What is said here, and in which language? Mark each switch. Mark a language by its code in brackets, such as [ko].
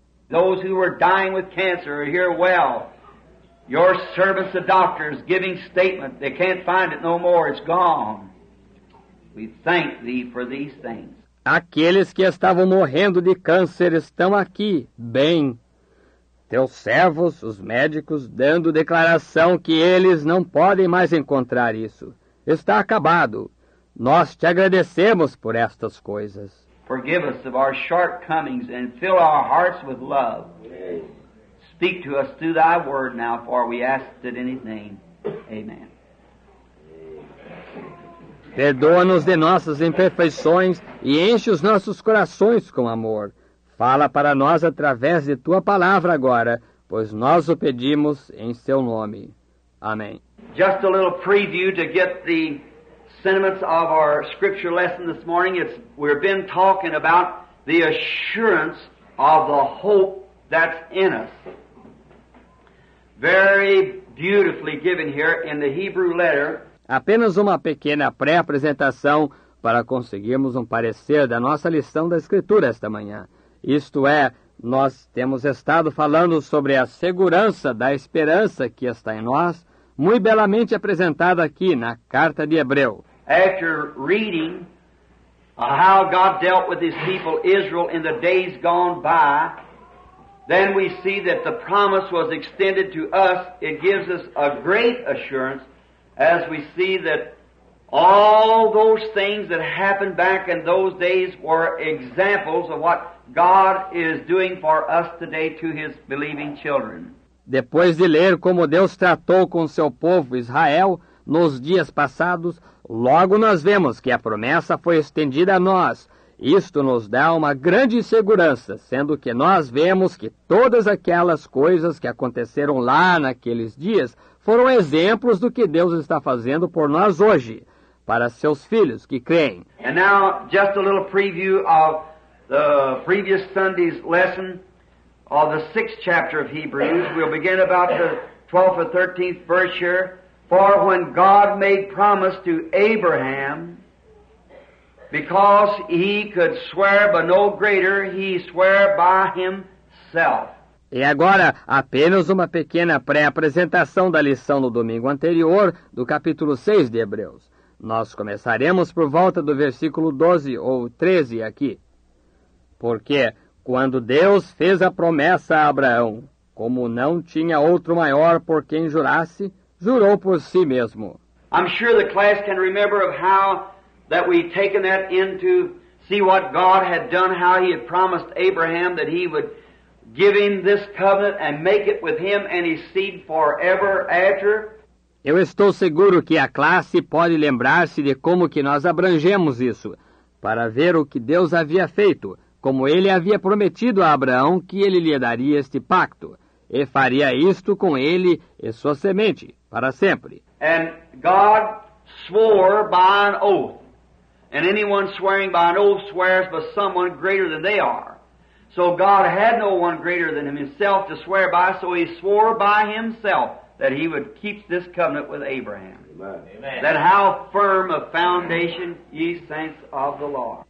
[en] Those who were dying with cancer are here well. Your servants, the doctors, giving statement, they can't find it no more, it's gone. We thank Thee for these things. [pt] Aqueles que estavam morrendo de câncer estão aqui, bem. Teus servos, os médicos, dando declaração que eles não podem mais encontrar isso. Está acabado. Nós te agradecemos por estas coisas. [en] Forgive us of our shortcomings and fill our hearts with love. Speak to us through Thy word now, for we ask it in His name. Amen. [pt] Perdoa-nos de nossas imperfeições e enche os nossos corações com amor. Fala para nós através de Tua palavra agora, pois nós o pedimos em Seu nome. Amém. [en] Just a little preview to get the sentiments of our scripture lesson this morning. We've been talking about the assurance of the hope that's in us. Very beautifully given here in the Hebrew letter. [pt] Apenas uma pequena pré-apresentação para conseguirmos parecer da nossa lição da Escritura esta manhã. Isto é, nós temos estado falando sobre a segurança da esperança que está em nós, muito belamente apresentada aqui na carta de Hebreu. [en] After reading how God dealt with His people Israel in the days gone by, then we see that the promise was extended to us. It gives us a great assurance as we see that all those things that happened back in those days were examples of what God is doing for us today to His believing children. [pt] Depois de ler como Deus tratou com seu povo Israel nos dias passados, logo nós vemos que a promessa foi estendida a nós. Isto nos dá uma grande segurança, sendo que nós vemos que todas aquelas coisas que aconteceram lá naqueles dias foram exemplos do que Deus está fazendo por nós hoje, para seus filhos que creem. E agora, [en] just a little preview of the previous Sunday's lesson of the sixth chapter of Hebrews. We'll begin about the 12th or 13th verse here. For when God made promise to Abraham, because he could swear by no greater, he swore by himself. [pt] E agora, apenas uma pequena pré-apresentação da lição do domingo anterior, do capítulo 6 de Hebreus. Nós começaremos por volta do versículo 12 ou 13 aqui. Porque quando Deus fez a promessa a Abraão, como não tinha outro maior por quem jurasse, jurou por si mesmo. [en] I'm sure the class can remember of how that we've taken that into see what God had done, how He had promised Abraham that He would give him this covenant and make it with him and his seed forever after. [pt] Eu estou seguro que a classe pode lembrar-se de como que nós abrangemos isso, para ver o que Deus havia feito, como ele havia prometido a Abraão que ele lhe daria este pacto, e faria isto com ele e sua semente para sempre. [en] And God swore by an oath. And anyone swearing by an oath swears by someone greater than they are. So God had no one greater than himself to swear by, so he swore by himself that he would keep this covenant with Abraham. Amen. That how firm a foundation ye saints of the law.